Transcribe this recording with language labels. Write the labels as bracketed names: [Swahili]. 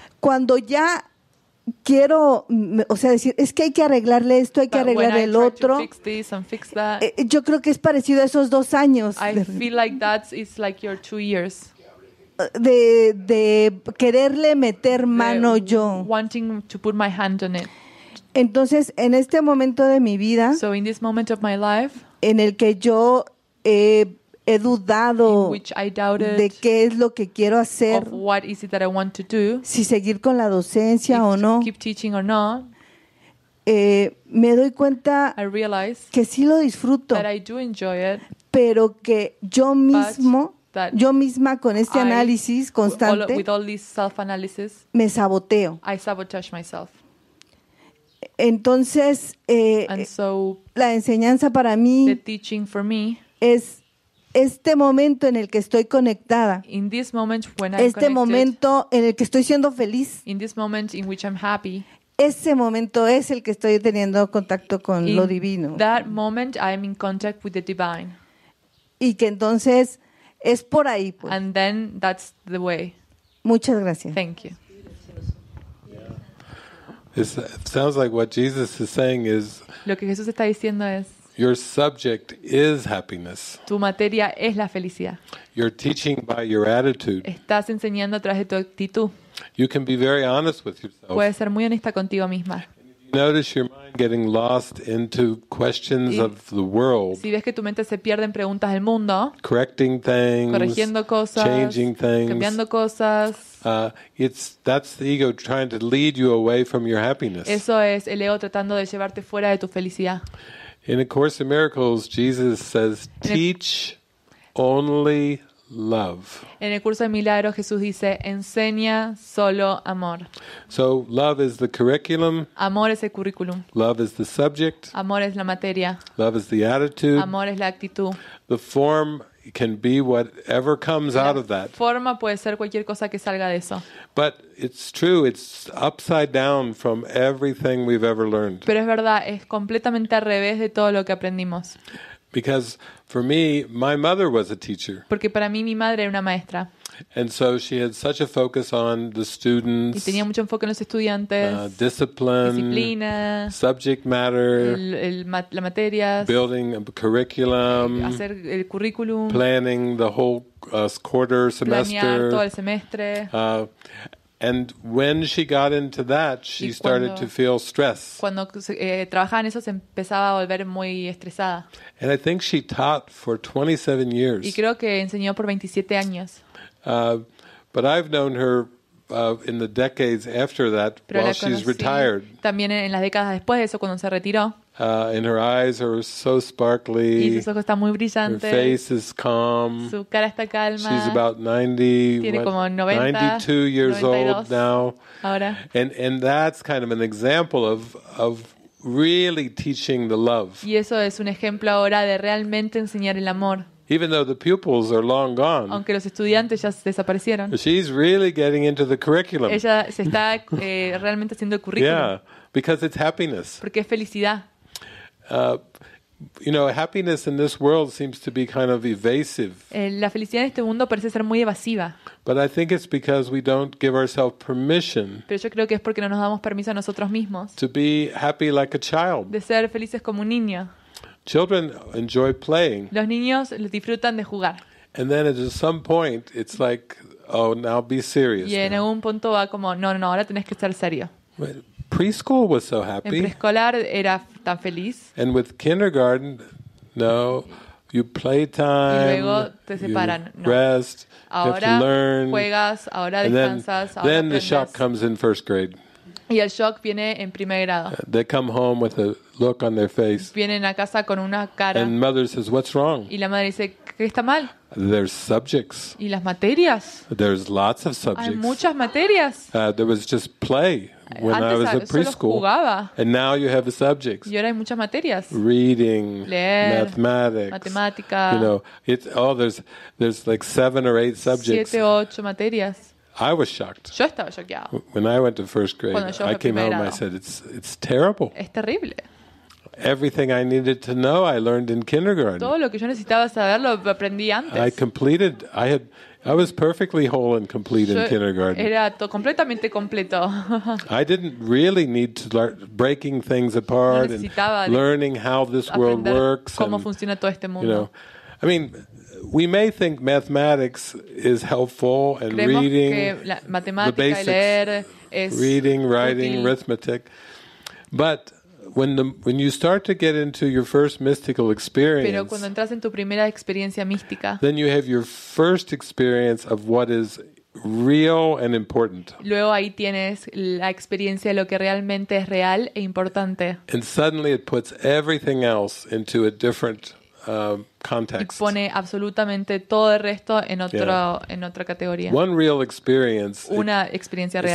[Spanish] Cuando ya quiero o sea decir es que hay que arreglarle esto hay [English] but [Spanish] que arreglar el otro [English] that, [Spanish] yo creo que es parecido a esos dos años [English] I feel like that's it's like your two years. [Spanish] De quererle meter mano yo. [English] Wanting to put my hand on it. [Spanish] Entonces, en este momento de mi vida, [English] so in this moment of my life, [Spanish] en el que yo he dudado [English] in which I doubted [Spanish] de qué es lo que quiero hacer, [English] of what is it that I want to do, [Spanish] si seguir con la docencia [English] if [Spanish] o no, [English] keep teaching or not, [Spanish] me doy cuenta [English] I realize [Spanish] que sí lo disfruto, [English] that I do enjoy it, [Spanish] pero que yo mismo yo misma con este análisis constante [English] with all this self-analysis, [Spanish] me saboteo. [English] I sabotage myself. [Spanish] Entonces, [English] and so, [Spanish] la enseñanza para mí [English] the teaching for me, [Spanish] es este momento en el que estoy conectada. [English] In this moment when [Spanish] este [English] connected, [Spanish] momento en el que estoy siendo feliz. [English] In this moment in which I'm happy, [Spanish] ese momento es el que estoy teniendo contacto con [English] in [Spanish] lo divino. [English] That moment I'm in contact with the divine. [Spanish] Y que entonces es por ahí, pues. [English] And then that's the way. [Spanish] Muchas gracias. [English] Thank you. It sounds like what Jesus is saying is. [Spanish] Lo que Jesús está diciendo es. [English] Your subject is happiness. [Spanish] Tu materia es la felicidad. [English] You're teaching by your attitude. [Spanish] Estás enseñando a través de tu actitud. [English] You can be very honest with yourself. [Spanish] Puedes ser muy honesta contigo misma. [English] Notice your mind getting lost into questions of the world. [Spanish] Si ves que tu mente se pierde en preguntas del mundo. [English] Correcting things. [Spanish] Corrigiendo cosas. [English] Changing things. [Spanish] Cambiando cosas. [English] That's the ego trying to lead you away from your happiness. [Spanish] Eso es el ego tratando de llevarte fuera de tu felicidad. [English] In A Course in Miracles, Jesus says, "Teach only love. [Spanish] En el curso de milagros, Jesús dice, enseña solo amor. [English] So love is the curriculum. [Spanish] Amor es el currículum. [English] Love is the subject. [Spanish] Amor es la materia. [English] Love is the attitude. [Spanish] Amor es la actitud. [English] The form can be whatever comes [Spanish] la [English] out of that. [Spanish] Forma puede ser cualquier cosa que salga de eso. [English] But it's true, it's upside down from everything we've ever learned. [Spanish] Pero es verdad, es completamente al revés de todo lo que aprendimos. [English] Because for me, my mother was a teacher. [Spanish] Porque para mí mi madre era una maestra. [English] And so she had such a focus on the students. [Spanish] Y tenía mucho enfoque en los estudiantes. [English] Discipline. [Spanish] Disciplina. [English] Subject matter. [Spanish] La materia. [English] Building a curriculum. [Spanish] Hacer el currículum. [English] Planning the whole quarter semester. [Spanish] Planear todo el semestre. [English] And when she got into that, she started to feel stress. [Spanish] Cuando trabajaba en eso, se empezaba a volver muy estresada. [English] And I think she taught for 27 years. [Spanish] Y creo que enseñó por 27 años. [English] But I've known her in the decades after that, [Spanish] pero [English] while she's retired. [Spanish] También en las décadas después de eso, cuando se retiró. [English] And her eyes are so sparkly. [Spanish] Y sus ojos están muy brillantes. [English] Her face is calm. [Spanish] Su cara está calma. [English] She's about 90. [Spanish] Tiene como 90, [English] 92 years [Spanish] 92 [English] old now. [Spanish] Ahora. [English] And that's kind of an example of really teaching the love. [Spanish] Y eso es un ejemplo ahora de realmente enseñar el amor. [English] Even though the pupils are long gone. [Spanish] Aunque los estudiantes ya desaparecieron. [English] She's really getting into the curriculum. [Spanish] Ella se está realmente haciendo el currículum. [English] Yeah, because it's happiness. [Spanish] Porque es felicidad. [English] You know, happiness in this world seems to be kind of evasive. [Spanish] La felicidad en este mundo parece ser muy evasiva. [English] But I think it's because we don't give ourselves permission. [Spanish] Pero yo creo que es porque no nos damos permiso a nosotros mismos. [English] To be happy like a child. [Spanish] De ser felices como un niño. [English] Children enjoy playing. [Spanish] Los niños disfrutan de jugar. [English] And then at some point it's like, oh, now be serious. [Spanish] Y en algún punto va como, no, ahora tenés que estar serio. [English] Preschool was so happy. [Spanish] En preescolar era tan feliz. [English] And with kindergarten, no, you play time. [Spanish] Y luego te separan. [English] You rest. [Spanish] Ahora [English] you have to learn. [Spanish] Juegas, ahora descansas, [English] then, [Spanish] ahora aprendes. [English] Then the shock comes in first grade. [Spanish] Y el shock viene en primer grado. [English] They come home with a look on their face. [Spanish] Vienen a casa con una cara. [English] And mother says, "What's wrong?" [Spanish] Y la madre dice, "¿Qué está mal?" [English] There's subjects. [Spanish] Y las materias. [English] There's lots of subjects. [Spanish] Hay muchas materias. [English] There was just play when [Spanish] Antes [English] I was a preschool. [Spanish] Solo jugaba. [English] And now you have the subjects. [Spanish] Y ahora hay muchas materias. [English] Reading. [Spanish] Leer. [English] Mathematics. [Spanish] Matemática. [English] You know, there's like 7 or 8 subjects. [Spanish] 7 o 8 materias. [English] I was shocked. [Spanish] Yo estaba shockeado. [English] When I went to first grade, I came home and I said, it's terrible. [Spanish] Es terrible. [English] Everything I needed to know, I learned in kindergarten. [Spanish] Todo lo que yo necesitaba saber, lo aprendí antes. [English] I was perfectly whole and complete in kindergarten. [Spanish] Era completamente completo. [English] I didn't really need to learn breaking things apart and learning how this world works. [Spanish] Cómo funciona todo este mundo. [English] You know, I mean, we may think mathematics is helpful and reading, the basics, [Spanish] leer es [English] reading, writing, [Spanish] útil. [English] Arithmetic. But when you start to get into your first mystical experience, [Spanish] pero cuando entras en tu primera experiencia mística, [English] then you have your first experience of what is real and important. [Spanish] Luego ahí tienes la experiencia de lo que realmente es real e importante. [English] And suddenly it puts everything else into a different context. [Spanish] Y pone absolutamente todo el resto en otro en otra categoría. [English] One real experience. [Spanish] Una experiencia real.